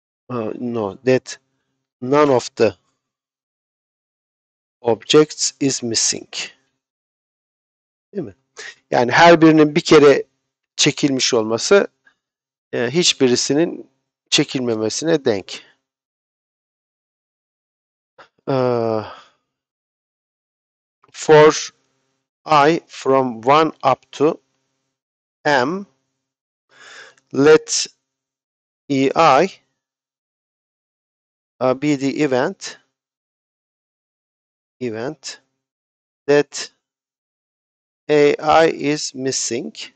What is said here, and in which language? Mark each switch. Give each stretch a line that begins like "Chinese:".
English: no, that none of the objects is missing.
Turkish: Değil mi? Yani her birinin bir kere çekilmiş olması hiçbirisinin çekilmemesine denk.
English: For I from 1 up to M, let EI be the event that AI is missing.